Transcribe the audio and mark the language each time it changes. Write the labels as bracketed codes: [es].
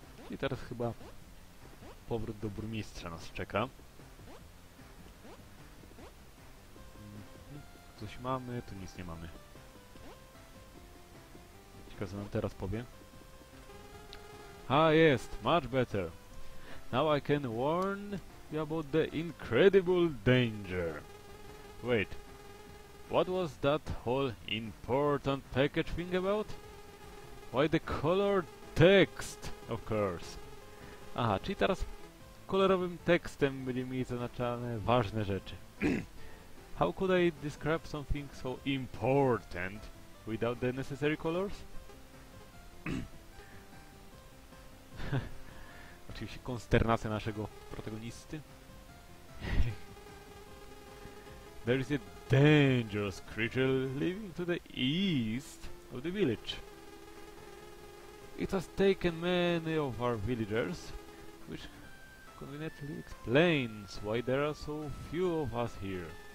[pl] I teraz chyba powrót do burmistrza nas czeka. Coś mamy, tu nic nie mamy. Ciekawe, co nam teraz powie. [en] Ah, [pl] jest! [en] Much better! Now I can warn you about the incredible danger. Wait, what was that whole important package thing about? Why the color text? Of course. [pl] Aha, czyli teraz kolorowym tekstem będzie mieli zaznaczane ważne rzeczy. [en] How could I describe something so important without the necessary colors? [pl] Oczywiście konsternacja naszego protagonisty. [en] There is a dangerous creature living to the east of the village. It has taken many of our villagers, which conveniently explains why there are so few of us here.